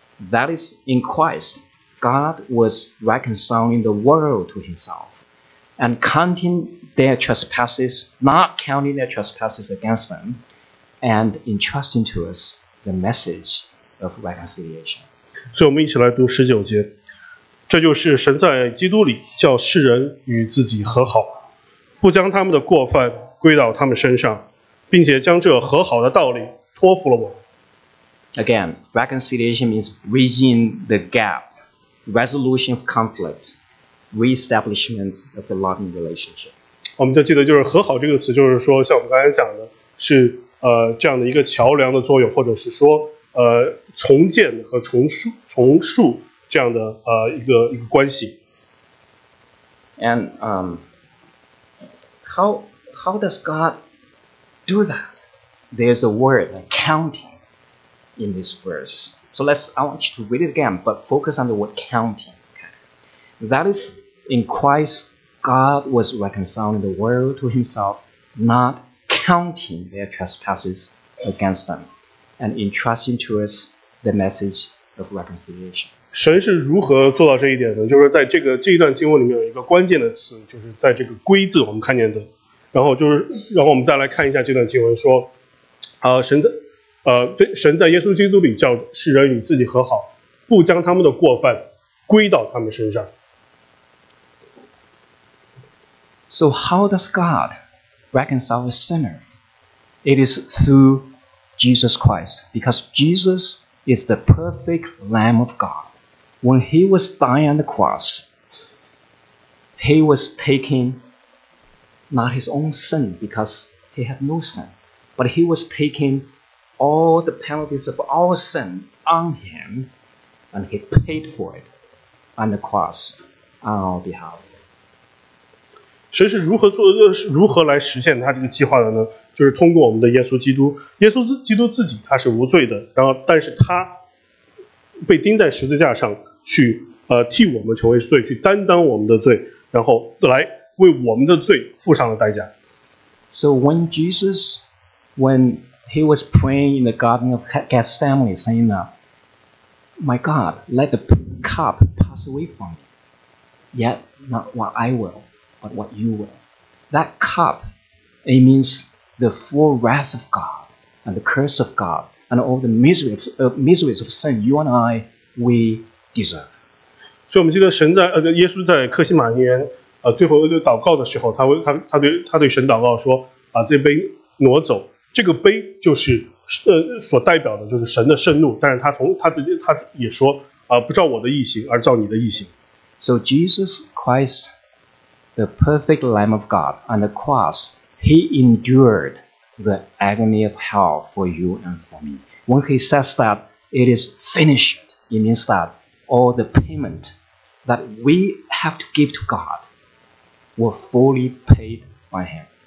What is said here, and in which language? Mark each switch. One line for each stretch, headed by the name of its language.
English: That is, in Christ, God was reconciling the world to Himself. And counting their trespasses, not counting their trespasses against them, and entrusting to us the message of reconciliation.
Chinese: 所以我们一起来读十九节。这就是神在基督里叫世人与自己和好，不将他们的过犯归到他们身上，并且将这和好的道理托付了我。
English: Again, reconciliation means bridging the gap, resolution of conflict. Re-establishment of the loving relationship.
Chinese: 我们就记得就是和好这个词就是说像我们刚才讲的是这样的一个桥梁的作用或者是说重建和重塑这样的一个关系。
English: And how does God do that? There's a word, a counting in this verse. So I want you to read it again, but focus on the word counting. Okay? That is... In Christ, God was reconciling the world to Himself, not counting their trespasses against them, and entrusting to us the message of reconciliation.
Chinese: 神是如何做到这一点的？就是在这一段经文里面有一个关键的词，就是在这个“归”字我们看见的。然后就是，然后我们再来看一下这段经文说，神在耶稣基督里叫世人与自己和好，不将他们的过犯归到他们身上。
English: So how does God reconcile a sinner? It is through Jesus Christ, because Jesus is the perfect Lamb of God. When He was dying on the cross, He was taking not His own sin, because He had no sin, but He was taking all the penalties of our sin on Him, and He paid for it on the cross on our behalf.
Chinese: 神是如何来实现他这个计划的呢？就是通过我们的耶稣基督。耶稣基督自己他是无罪的，然后但是他被钉在十字架上去替我们成为罪，去担当我们的罪，然后来为我们的罪付上了代价。
English: So when he was praying in the Garden of Gethsemane, saying, "My God, let the cup pass away from me, yet not what I will, but what you will. That cup, it means the full wrath of God and the curse of God and all the miseries of sin you and I, we deserve.
Chinese: 所以我们记得神在耶稣在克西马尼园最后祷告的时候，他对神祷告说，把这杯挪走。这个杯就是所代表的就是神的圣怒，但是他也说不照我的意行，而照你的意行。
English: So Jesus Christ, the perfect Lamb of God, on the cross, He endured the agony of hell for you and for me. When He says that it is finished, it means that. All the payment that we have to give to God were fully paid by Him.